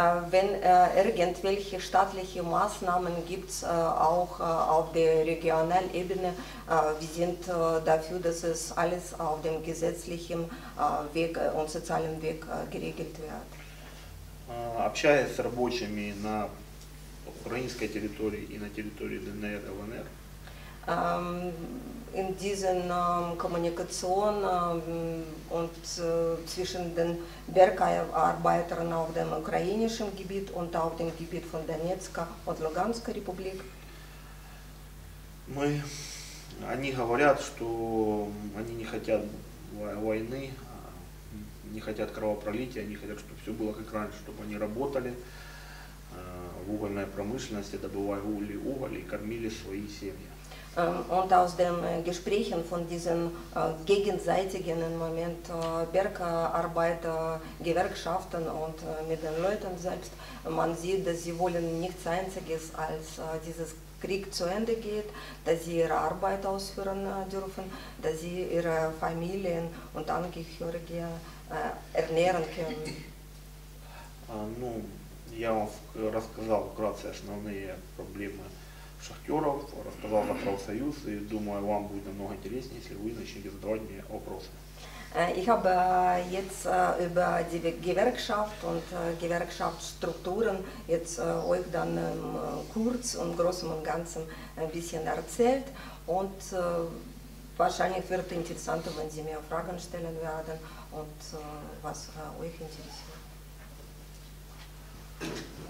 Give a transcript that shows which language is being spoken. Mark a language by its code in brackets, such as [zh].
[de] Wenn irgendwelche staatliche Maßnahmen gibt es auch auf der Regionalebene, wir sind dafür, dass es alles auf dem gesetzlichen Weg und sozialen Weg geregelt wird. [ru] Общаясь с рабочими на украинской территории и на территории ДНР, ЛНР. [de] In diesen Kommunikation und zwischen den Bergarbeitern auf dem ukrainischen Gebiet und auf dem Gebiet von Donetsk und Luganska Republik. [ru] Они говорят, что они не хотят войны, не хотят кровопролития, они хотят, чтобы все было как раньше, чтобы они работали в угольной промышленности, добывая уголь и кормили свои семьи. [de] Und aus den Gesprächen von diesen gegenseitigen im Moment Bergarbeiter, Gewerkschaften und mit den Leuten selbst, man sieht, dass sie wollen nichts Einziges, als dieses Krieg zu Ende geht, dass sie ihre Arbeit ausführen dürfen, dass sie ihre Familien und Angehörige ernähren können. [ru] Ну, я вам рассказал вкратце основные проблемы шахтеров, рассказал про профсоюз, и думаю, вам будет намного интереснее, если вы начнете задавать мне вопросы. [de] Ich habe jetzt über die Gewerkschaft und Gewerkschaftsstrukturen jetzt euch dann kurz und großem und ganzem ein bisschen erzählt und wahrscheinlich wird es interessanter, wenn Sie mir Fragen stellen werden und was euch interessiert.